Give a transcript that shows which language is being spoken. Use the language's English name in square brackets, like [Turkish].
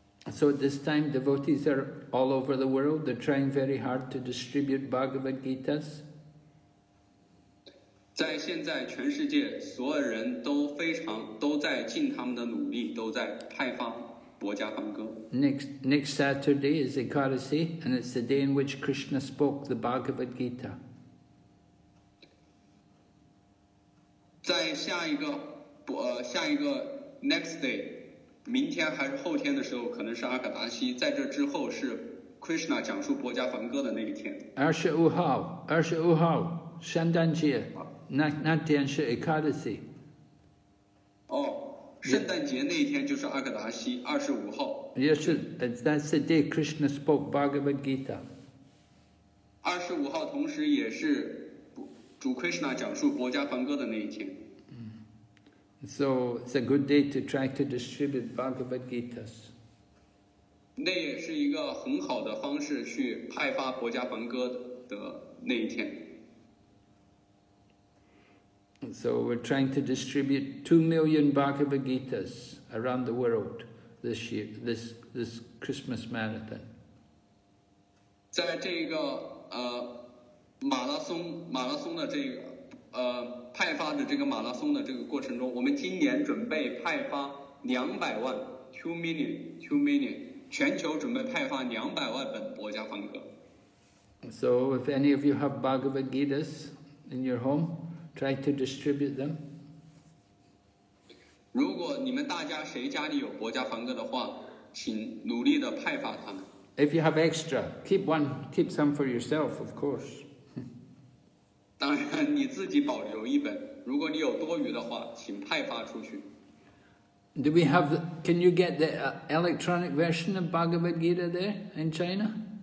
[English] So at this time, devotees are all over the world. They're trying very hard to distribute Bhagavad Gitas. [Chinese] 在现在，全世界所有人都非常都在尽他们的努力，都在派发。 [English] Next Saturday is Ekadasi, and it's the day in which Krishna spoke the Bhagavad Gita. [Chinese] 在下一个下一个 [English] next day， [Chinese] 明天还是后天的时候，可能是阿卡达西，在这之后是 Krishna 讲述薄伽梵歌的那一天。二十五号，圣诞节，那天是 Ekadasi。哦，圣诞节那一天就是阿卡达西，二十五号。 [English] Yes, that's the day Krishna spoke Bhagavad Gita. [Chinese] 二十五号同时也是主 Krishna 讲述薄伽梵歌的那一天。 [English] So it's a good day to try to distribute Bhagavad Gita. [Chinese] 那也是一个很好的方式去派发薄伽梵歌的那一天。 [English] So we're trying to distribute 2 million Bhagavad Gitas around the world this year, this Christmas marathon. [Chinese] 在这个马拉松的这个派发的这个马拉松的这个过程中，我们今年准备派发200万 [English] two million [Chinese] 全球准备派发200万本薄伽梵歌。 [English] So if any of you have Bhagavad Gitas in your home. Try to distribute them. [Chinese] 如果你们大家谁家里有薄伽梵歌的话，请努力的派发它们。 [English] If you have extra, keep some for yourself, of course. [Chinese] 当然，你自己保留一本。如果你有多余的话，请派发出去。 [English] Do we have? Can you get the electronic version of Bhagavad Gita there in China?